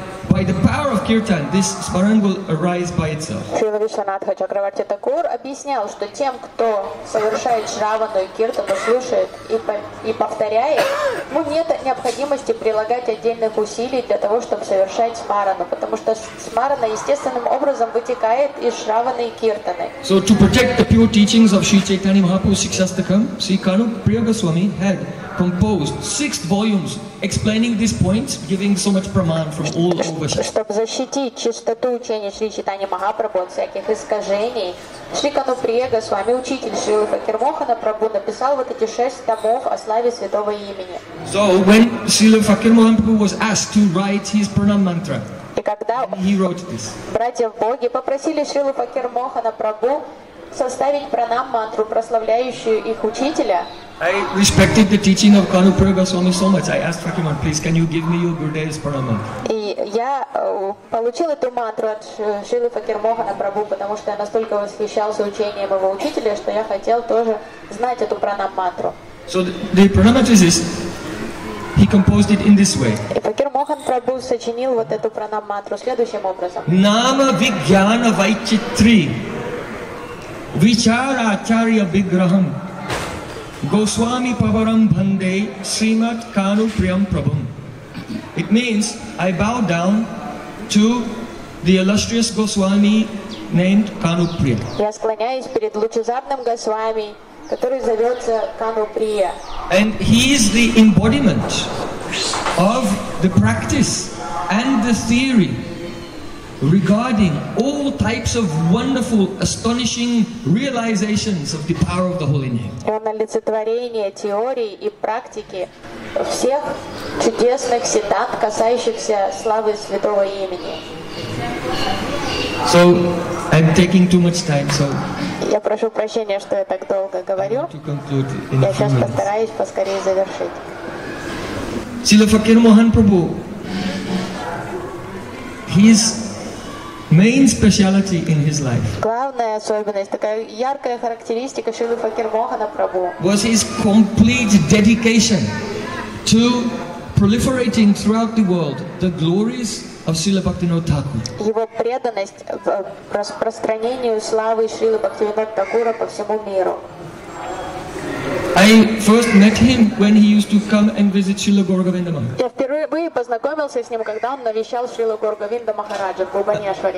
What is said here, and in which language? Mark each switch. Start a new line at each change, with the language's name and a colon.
English: By the power of Kirtan, this Smaran will arise by itself.
Russian: Srila Vishwanatha Chakravarti Thakur объяснял, что тем, кто совершает Шравану и Киртану, слушает и повторяет, ему нет необходимости прилагать отдельных усилий для того, чтобы совершать Смарану, потому что Смарана естественным образом вытекает из Шраваны и Киртаны.
English: So to protect the pure teachings of Sri Chaitanya Mahaprabhu Sikshastakam, Sri Kanu Priyaga Swami had composed 6 volumes explaining these points, giving so much praman from all over.
Russian: Чтобы защитить чистоту учения Шри Чайтанья Махапрабху от всяких искажений, Шри Кану Приега, с вами учитель Шри Факир Мохана Прабху, написал вот эти 6 томов о славе святого имени.
English: So when Srila Fakir Mohan Prabhu was asked to write his pranam mantra,
Russian: и когда братья в Боге попросили Шрилу Факир Мохана Прабху составить пранам мантру, прославляющую их учителя.
English: I respected the teaching of Kanu Priyaga Swami so much. I asked Fakirman, please, can you give me your Gurudev's pranam? And I
Russian: получил эту мантру от Шрилы Факир Мохана Прабху, потому что я настолько восхищался учением его учителя, что я хотел тоже знать эту пранам мантру.
English: So the pranam mantra is this. He composed it in this way.
Russian: Факир Мохан Прабху сочинил вот эту пранам мантру следующим образом.
Sanskrit: Нама Вигьяна Вайчитри Вичара Ачарья Виграхам Госвами Паварам Бханде Симат Кану Приям Прабхам.
English: It means, I bow down to the illustrious Госвами named Кану Прия.
Russian: Я склоняюсь перед лучезарным Госвами, который зовется Кану Прия.
English: And he is the embodiment of the practice and the theory regarding all types of wonderful, astonishing realizations of the power of the holy name.
Russian: Он олицетворение теории и практики всех чудесных сиддхат, касающихся славы святого имени.
English: So, I'm taking too much time, so...
Russian: Я прошу прощения, что я так долго говорю.
English: I'm going to conclude in a few minutes.
Russian: Я сейчас постараюсь поскорее завершить.
English: Srila Fakir Mohan Prabhu, he's main speciality in his life.
Russian: Главная особенность, такая яркая характеристика Шрилы Факир Мохана Прабху.
English: Was his complete dedication to proliferating throughout the world the glories of Srila Bhaktivinoda Thakur.
Russian: Его преданность в распространению славы Шрилы Бхактивинода Такура по всему миру.
English: I first met him when he used to come and visit Srila Gauravinda Maharaja.
Russian: Я впервые познакомился с ним, когда он навещал Шрилу Гаурав Винда Махараджа в Бхубанешваре.